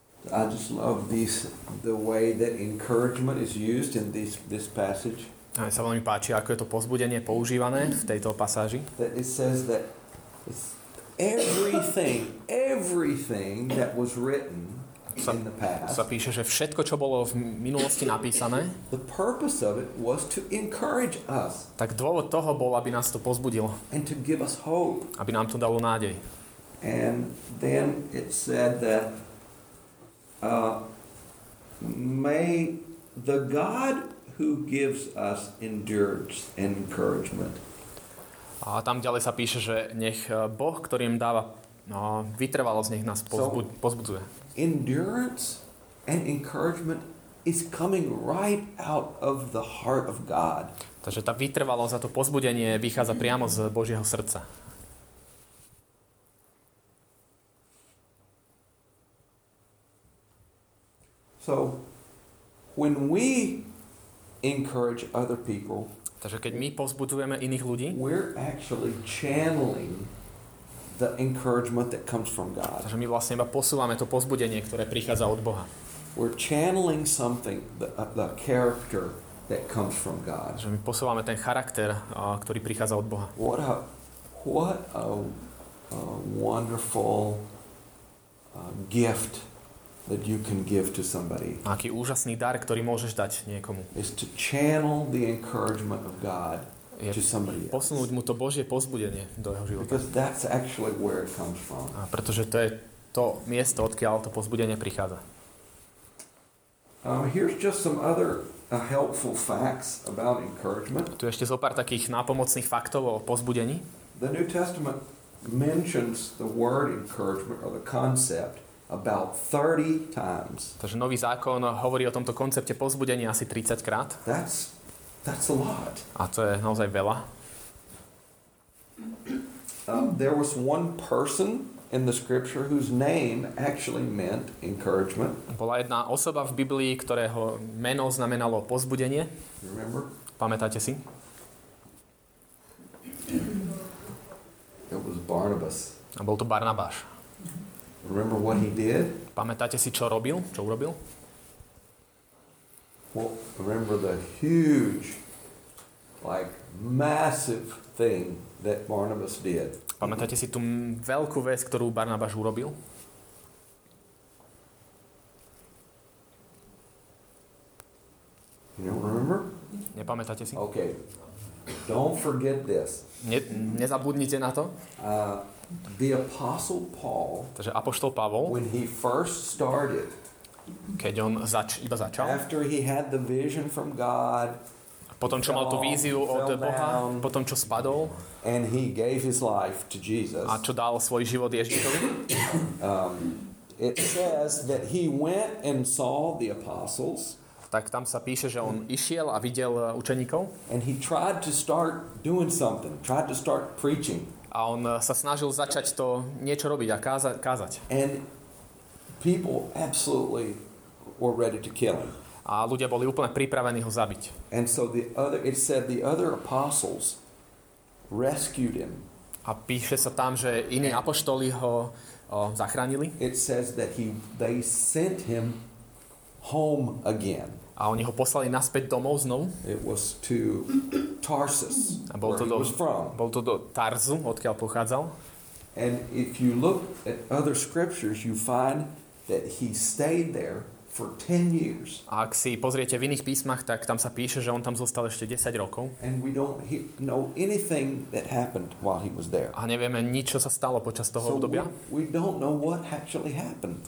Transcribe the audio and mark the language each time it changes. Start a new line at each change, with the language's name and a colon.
English: I just love the way that encouragement is used in this passage.
Slovak: A sa veľmi páči, ako je to povzbudenie používané v tejto pasáži.
English: That it says that everything that was written in the past.
Slovak: Sa píše, že všetko, čo bolo v minulosti napísané.
English: The purpose of it was to encourage us.
Slovak: Tak dôvod toho bol, aby nás to povzbudilo.
English: And to give us hope.
Slovak: Aby nám to dalo nádej.
English: And then it said that may the God who gives us endurance and encouragement.
Slovak: A tam ďalej sa píše, že nech Boh, ktorý im dáva vytrvalosť, nech nás pozbudzuje.
English: So, endurance and encouragement is coming right out of the heart of God.
Slovak: Takže tá vytrvalosť a to pozbudenie vychádza priamo z Božieho srdca.
English: So when we encourage other people,
Slovak: takže keď my povzbudzujeme iných ľudí,
English: we're actually channeling the encouragement that comes from God.
Slovak: Takže my vlastne iba posúvame to povzbudenie, ktoré prichádza od Boha.
English: We're channeling something, the character that comes from God.
Slovak: Takže my posúvame ten charakter, ktorý prichádza od Boha.
English: What a wonderful gift that you can give to somebody.
Slovak: Aký úžasný dar, ktorý môžeš dať niekomu.
English: Is to channel the encouragement of God to somebody.
Slovak: Posunúť mu to Božie povzbudenie do jeho života.
English: Because that's actually where it comes from.
Slovak: A pretože to je to miesto, odkiaľ to povzbudenie prichádza.
English: Here's just some other helpful facts about encouragement.
Slovak: Tu ešte zo pár takých nápomocných faktov o povzbudení.
English: The New Testament mentions the word encouragement or the concept about 30 times.
Slovak: Takže nový zákon hovorí o tomto koncepte povzbudenia asi 30 krát.
English: That's a lot.
Slovak: A to je naozaj veľa.
English: There was one person in the scripture whose name actually meant encouragement.
Slovak: Bola jedna osoba v Biblii, ktorého meno znamenalo povzbudenie.
English: Remember?
Slovak: Pamätáte si?
English: It was Barnabas.
Slovak: A bol to Barnabáš.
English: Remember what he did?
Slovak: Pamätáte si, čo robil? Čo urobil?
English: Well, remember the huge, like, massive thing that Barnabas did.
Slovak: Pamätáte si tú veľkú vec, ktorú Barnabáš urobil?
English: You don't remember?
Slovak: Nepamätáte si?
English: Okay. Don't forget this.
Slovak: Nezabudnite na to.
English: The apostle Paul.
Slovak: Takže apoštol Pavol.
English: When he first started.
Slovak: Keď on iba začal.
English: After he had the vision from God.
Slovak: Potom čo mal tú víziu od Boha, potom čo spadol.
English: And he gave his life to Jesus.
Slovak: A čo dal svoj život Ježišovi?
English: It says that he went and saw the apostles.
Slovak: Tak tam sa píše, že on išiel a videl učeníkov.
English: And he tried to start doing something, tried to start preaching.
Slovak: A on sa snažil začať to niečo robiť a kázať.
English: And people absolutely were ready to kill him.
Slovak: A ľudia boli úplne pripravení ho zabiť.
English: And so it said the other apostles rescued him.
Slovak: A píše sa tam, že iní apoštoli ho zachránili.
English: It says that they sent him home again.
Slovak: A oni ho poslali naspäť domov znovu.
English: It was to Tarsus.
Slovak: A bol to do Tarzu, odkiaľ pochádzal.
English: And if you look at other scriptures, you find that he stayed there for 10 years.
Slovak: A ak si pozriete v iných písmach, tak tam sa píše, že on tam zostal ešte 10 rokov.
English: And we don't know anything that happened while he was there.
Slovak: A nevieme nič, čo sa stalo počas toho obdobia.
English: We don't know what actually happened.